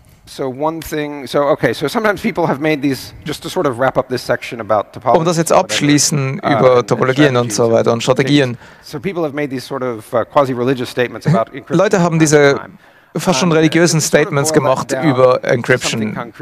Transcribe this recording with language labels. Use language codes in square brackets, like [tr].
[en] So sometimes people have made these, just to sort of wrap up this section about topology. [de] Um das jetzt abschließen über Topologien und so weiter und Strategien. [en] So people have made these sort of quasi-religious statements about encryption. [de] Leute haben diese fast schon religiösen Statements gemacht über Encryption.